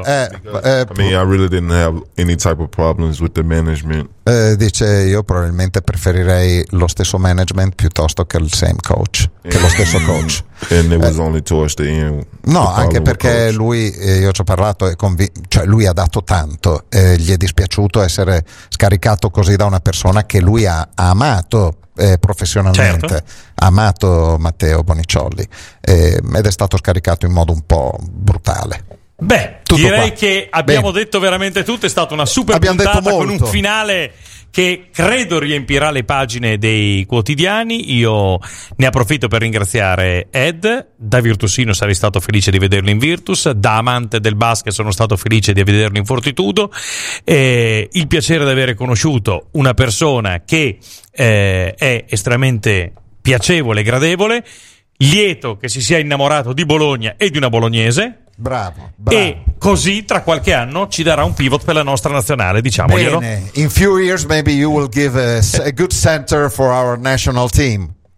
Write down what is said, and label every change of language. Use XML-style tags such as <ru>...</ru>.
<en>I mean, I really didn't have any type of problems with the management.</en> <it>Dice, io probabilmente preferirei lo stesso management piuttosto che il</it> <en>same coach,</en> <it>che lo stesso coach.</it> <en>And it was only towards the end.</en> <it>No, anche perché lui, io ci ho parlato, cioè lui ha dato tanto, gli è dispiaciuto essere scaricato così da una persona che lui ha amato. Professionalmente, certo. Amato Matteo Bonicioli, ed è stato scaricato in modo un po' brutale. Beh, tutto direi qua. Che abbiamo detto veramente tutto, è stata una super abbiamo puntata con un finale che credo riempirà le pagine dei quotidiani. Io ne approfitto per ringraziare Ed, da virtusino sarei stato felice di vederlo in Virtus, da amante del basket sono stato felice di vederlo in Fortitudo, il piacere di avere conosciuto una persona che è estremamente piacevole, gradevole, lieto che si sia innamorato di Bologna e di una bolognese. Bravo, bravo. E così tra qualche anno ci darà un pivot per la nostra nazionale, diciamoglielo. Bene.</it> <en>In few years maybe you will give a good center for our national team.</en>